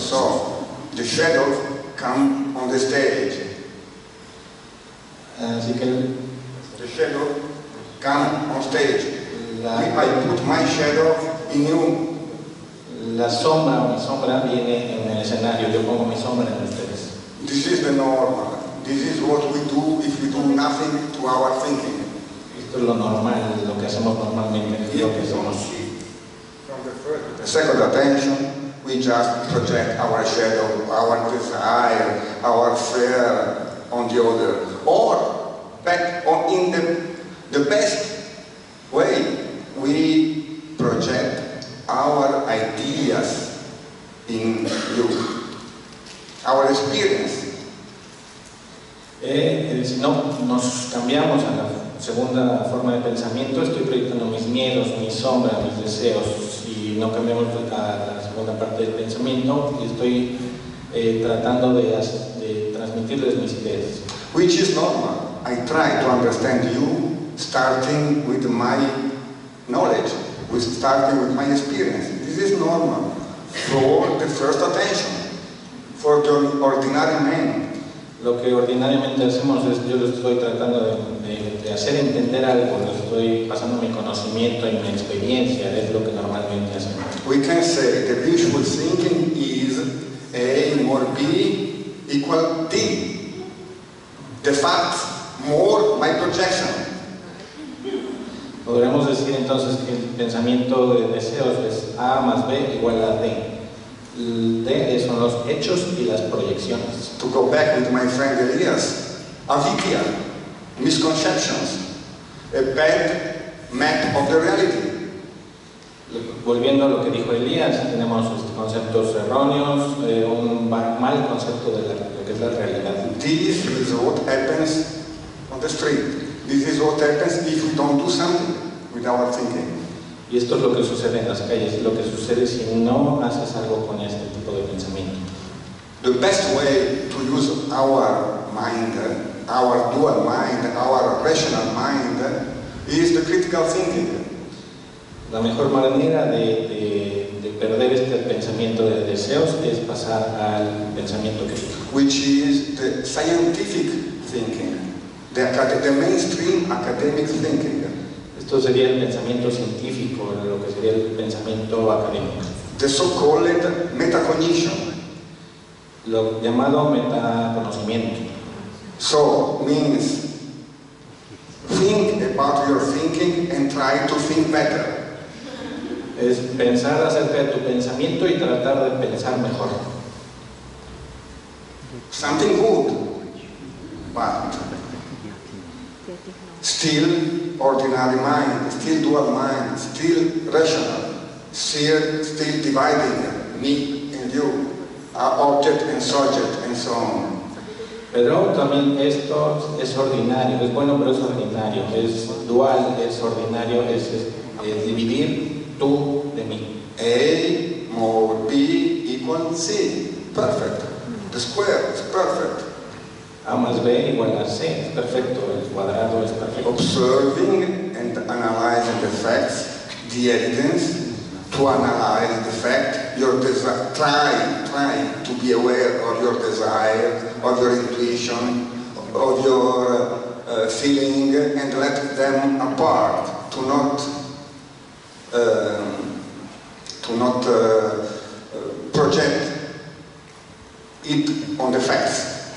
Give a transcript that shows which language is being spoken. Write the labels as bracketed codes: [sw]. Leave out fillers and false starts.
[en] so, the shadows come on the stage. [es] Así que [en] the shadow come on stage. If I put my shadow in you, [es] la sombra o mi sombra viene en el escenario. Yo pongo mi sombra en ustedes. [en] This is the normal. This is what we do if we do nothing to our thinking. [es] Esto es lo normal, lo que hacemos normalmente. Lo que somos. [en] From the first, the second attention, we just project our shadow, our desire, our fear on the other, or back on in the best way we project our ideas in you, our experience. [es] Si no nos cambiamos a la segunda forma de pensamiento, estoy proyectando mis miedos, mis sombras, mis deseos. Si no cambiamos a la segunda parte del pensamiento, estoy tratando de transmitirles mis ideas. [en] Which is normal. I try to understand you starting with my knowledge, with starting with my experience. This is normal for the first attention, for the ordinary man. [es] Lo que ordinariamente hacemos es, yo lo estoy tratando de hacer entender algo, lo estoy pasando mi conocimiento y mi experiencia, es lo que normalmente hacemos. [en] We can say that visual thinking is A more B equal T. The fact more my projection. [es] Podríamos decir entonces que el pensamiento de deseos es A más B igual a T. De son los hechos y las proyecciones. [en] To go back with my friend Elias, avidia, misconceptions, a bad map of the reality. [es] Volviendo a lo que dijo Elias, tenemos conceptos erróneos, un mal concepto de lo que es la realidad. [en] This is what happens on the street. This is what happens if we don't do something with our thinking. [es] Y esto es lo que sucede en las calles, lo que sucede si no haces algo con este tipo de pensamiento. [en] The best way to use our mind, our dual mind, our rational mind, is the critical thinking. [es] La mejor manera de perder este pensamiento de deseos es pasar al pensamiento crítico. [en] Which is the scientific thinking, the mainstream academic thinking. [es] Esto sería el pensamiento científico, lo que sería el pensamiento académico. [en] The so-called metacognition. [es] Lo llamado metaconocimiento. [en] So, means, think about your thinking and try to think better. [es] Es pensar acerca de tu pensamiento y tratar de pensar mejor. [en] Something good, but still ordinary mind, still dual mind, still rational, still dividing me and you, object and subject, and so on. [es] Pero también esto es ordinario, es bueno, pero es ordinario, es dual, es ordinario, es dividir tú de mí. [en] A more B equal C. Perfect. The square is perfect. [es] A más B igual a C, es perfecto, el cuadrado es perfecto. [en] Observing and analyzing the facts, the evidence, to analyze the fact, your desire, try to be aware of your desire, of your intuition, of your feeling, and let them apart, to not project it on the facts.